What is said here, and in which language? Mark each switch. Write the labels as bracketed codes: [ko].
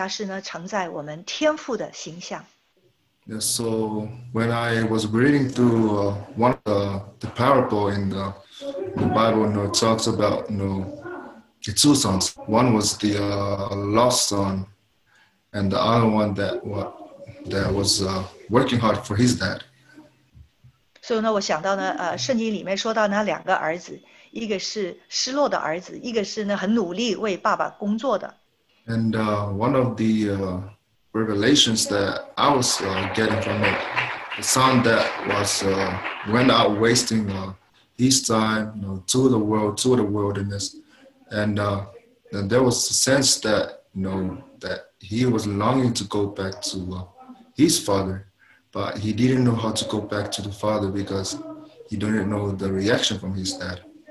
[zh] 所以呢，我们做儿子的话呢，不只是承载我们肉身父母的那个形象，我们更加是呢承载我们天父的形象。 [en] Yeah, so when I was reading through one of the parable in the Bible, it talks about the two sons. One was the lost son, and the other one that was working hard for his dad. [zh] So, 我想到呢，圣经里面说到那两个儿子，一个是失落的儿子，一个是呢很努力为爸爸工作的。And [en] one of the revelations that I was getting from it, the son that was went out wasting his time to the world, to the wilderness, and then there was a sense that that he was longing to go back to his father, but he didn't know how to go back to the father because he didn't know the reaction from his dad.